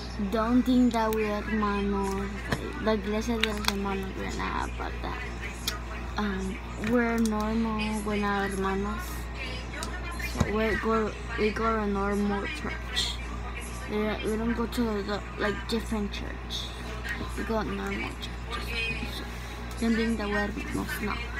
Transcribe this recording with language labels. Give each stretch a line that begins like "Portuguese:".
English: Don't think that we are hermanos.
Spanish: La iglesia de los hermanos no tiene nada para
English: that. We're normal, we're not hermanos. So we go to a normal church. We don't go to the like different church. We go to normal church. So, don't think that we're hermanos, no.